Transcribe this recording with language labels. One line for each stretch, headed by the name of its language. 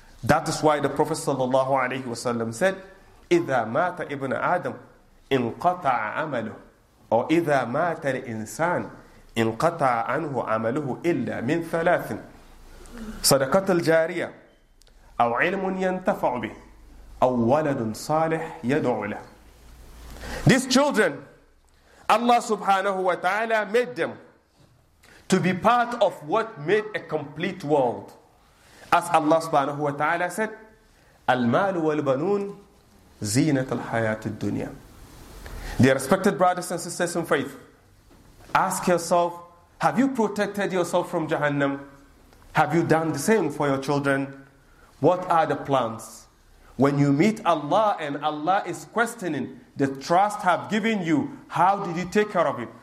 English: That is why the Prophet sallallahu alayhi wasallam said,
Arabic: إِذَا مَاتَ إِبْنَ آدَمْ إِنْقَطَعَ عَمَلُهُ or إِذَا مَاتَ الْإِنسَانِ إِنْقَطَعَ عَنْهُ عَمَلُهُ إِلَّا مِنْ ثَلَاثٍ صَدَقَةُ الْجَارِيَةِ أو علم ينتفع به أو ولد صالح يدعو له.
English: These children, Allah subhanahu wa ta'ala made them to be part of what made a complete world. As Allah subhanahu wa ta'ala said,
Arabic: المال والبنون زينة الحياة الدنيا.
English: Dear respected brothers and sisters in faith, ask yourself, have you protected yourself from Jahannam? Have you done the same for your children? What are the plans? When you meet Allah and Allah is questioning the trust have given you, how did you take care of it?